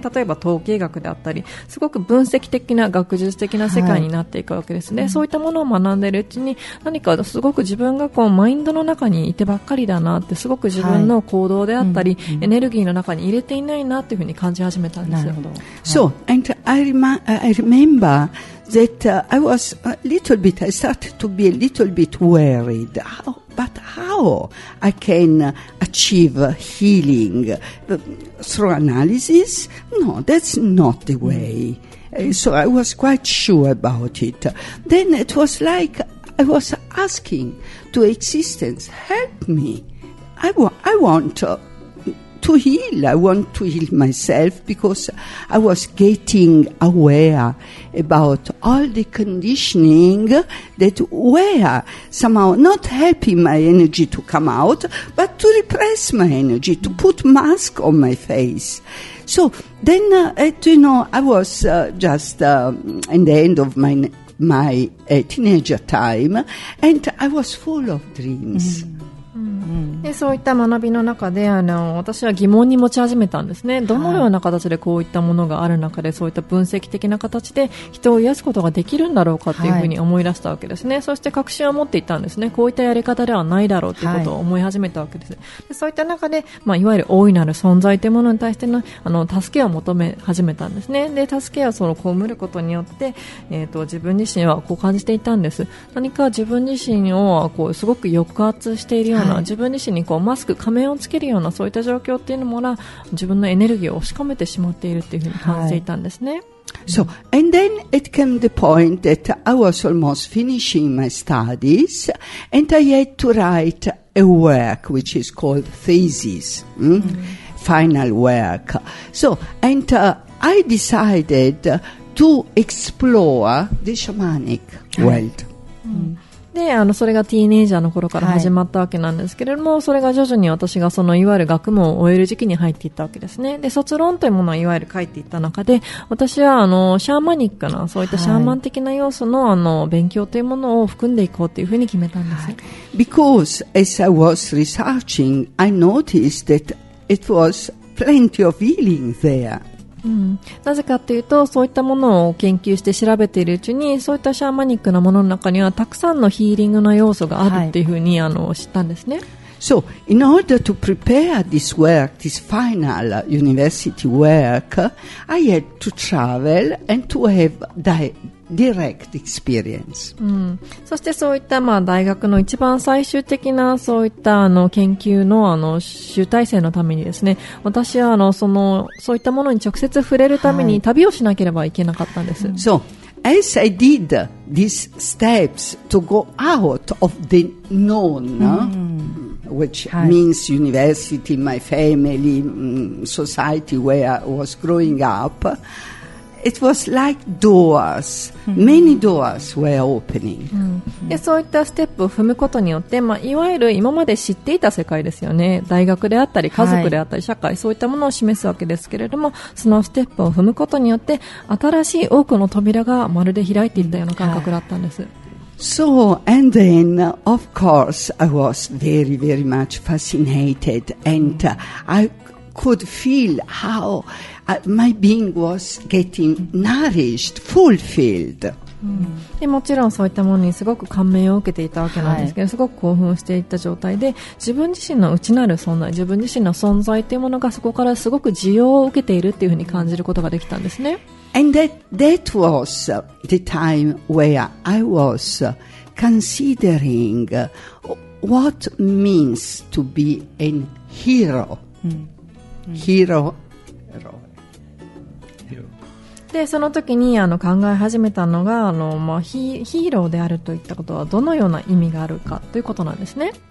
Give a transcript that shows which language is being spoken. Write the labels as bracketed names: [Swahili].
[Japanese] 例えば統計学であったり、すごく分析的な学術的な世界になっていくわけですね、はい、そういったものを学んでいるうちに、何かすごく自分がこうマインドの中にいてばっかりだなって、すごく自分の行動であったり、はい、エネルギーの中に入れていないなというふうに感じ始めたんですよ。なるほど。 [English] So, and I remember that I was a little bit, I started to be a little bit worried. But how I can achieve healing through analysis? No, that's not the way. So I was quite sure about it. Then it was like I was asking to existence, help me. I want to heal. I want to heal myself because I was getting aware about all the conditioning that were somehow not helping my energy to come out, but to repress my energy, to put mask on my face. So then, you know, I was in the end of my teenager time, and I was full of dreams. [Japanese] でそういった学びの中で、あの、私は疑問に持ち始めたんですね。どのような形でこういったものがある中で、はい、そういった分析的な形で人を癒すことができるんだろうかというふうに思い出したわけですね、はい、そして確信を持っていたんですね。こういったやり方ではないだろうということを思い始めたわけです、はい、でそういった中で、まあ、いわゆる大いなる存在というものに対しての、あの、助けを求め始めたんですね。で助けをその被ることによって、自分自身はこう感じていたんです。何か自分自身をこうすごく抑圧しているような、はい、自分自身にこうマスク仮面をつけるような、そういった状況っていうのもな、自分のエネルギーを押し込めてしまっているっていうふうに感じていたんですね、はい、 [English] So and then it came the point that I was almost finishing my studies and I had to write a work which is called thesis、final work. So and I decided to explore the shamanic world、はい、 [Japanese] で、あの、それがティーネイジャーの頃から始まったわけなんですけれども、はい、それが徐々に私がそのいわゆる学問を終える時期に入っていったわけですね。で、卒論というものをいわゆる書いていった中で、私はあの、シャーマニックな、そういったシャーマン的な要素の、はい、あの、勉強というものを含んでいこうというふうに決めたんです。はい、 [English] Because as I was researching, I noticed that it was plenty of healing there. [Japanese] なぜかというと、そういったものを研究して調べているうちに、そういったシャーマニックなものの中にはたくさんのヒーリングの要素があるっていうふうに、はい、あの、知ったんですね。 [English] So, in order to prepare this work, this final university work, I had to travel and to have direct experience. [Japanese] うん。そしてそういった、まあ、大学の一番最終的なそういったあの研究の、あの集大成のためにですね、私はあのそのそういったものに直接触れるために旅をしなければいけなかったんです。はい。 [English] So, as I did these steps to go out of the known,which、はい、means university, my family, society where I was growing up, it was like doors. Many doors were opening. [Japanese] で、そういったステップを踏むことによって、まあ、いわゆる今まで知っていた世界ですよね。大学であったり、家族であったり、社会、はい、そういったものを示すわけですけれども、そのステップを踏むことによって、新しい多くの扉がまるで開いていったような感覚だったんです。はい、 [English] So, and then, of course, I was very, very much fascinated, and、I could feel how、my being was getting nourished, fulfilled.、 [Japanese] うん、でもちろんそういったものにすごく感銘を受けていたわけなんですけど、はい、すごく興奮していた状態で、自分自身の内なる存在、自分自身の存在というものがそこからすごく需要を受けているというふうに感じることができたんですね。 [English] And that was the time where I was considering what means to be a hero.、Hero. [Japanese] で、その時にあの考え始めたのが、あの、まあ、ヒーローであるといったことはどのような意味があるかということなんですね。